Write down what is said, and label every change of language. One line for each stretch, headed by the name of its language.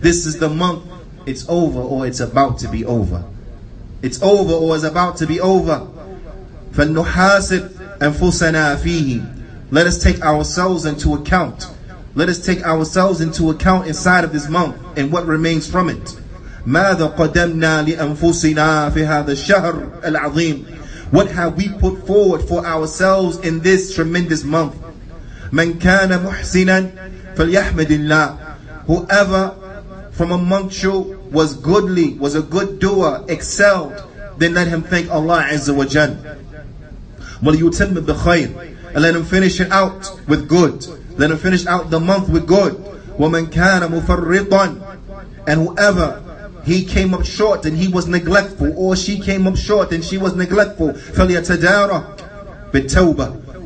English: This is the month, it's over or it's about to be over. It's over or it's about to be over.
Arabic: فَلْنُحَاسِبْ أَنْفُسَنَا فِيهِ.
English: Let us take ourselves into account. Let us take ourselves into account inside of this month and what remains from it.
Arabic: ماذا قدمنا لأنفسنا في هذا الشهر العظيم.
English: What have we put forward for ourselves in this tremendous month?
Arabic: من كان محسنا فليحمد الله.
English: Whoever from amongst you was goodly, was a good doer, excelled, then let him thank Allah Azza wa Jal.
Arabic: وليتم بخير.
English: And let him finish it out with good. Let him finish out the month with good.
Arabic: وَمَنْ كَانَ مُفَرِّطًا.
English: And whoever, he came up short and he was neglectful, or she came up short and she was neglectful,
Arabic: فَلْيَتَدَارَكْ بِالتَّوْبَةِ.